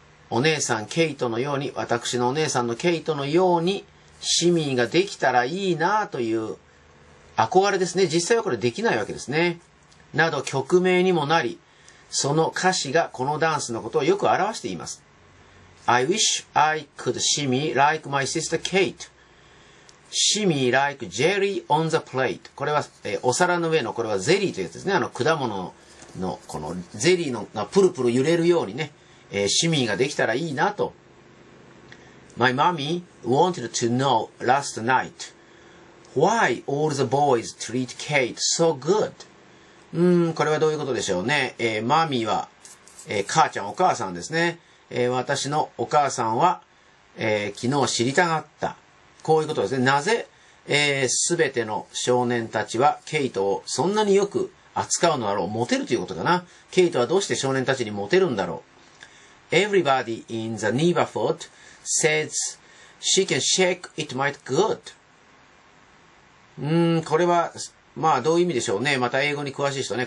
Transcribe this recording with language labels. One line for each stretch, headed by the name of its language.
Japanese: お姉さんケイトのように、私のお姉さんのケイトのようにシミーができたらいいなという憧れですね。実際はこれできないわけですね、など曲名にもなり、その歌詞がこのダンスのことをよく表しています。
English: I wish I could shimmy like my sister Kate. Shimmy like jelly on the plate.
Japanese: これは、お皿の上の、これはゼリーというやつですね。果物の、このゼリーのがプルプル揺れるようにね、shimmy ができたらいいなと。
English: My mommy wanted to know last night why all the boys treat Kate so good.
Japanese: これはどういうことでしょうね。マミーは、母ちゃん、お母さんですね。私のお母さんは、昨日知りたがった。こういうことですね。なぜ、すべての少年たちはケイトをそんなによく扱うのだろう。モテるということかな。ケイトはどうして少年たちにモテるんだろう。
English: Everybody in the neighborhood says she can shake it might good.
Japanese: これは、まあどういう意味でしょうね。また英語に詳しい人ね。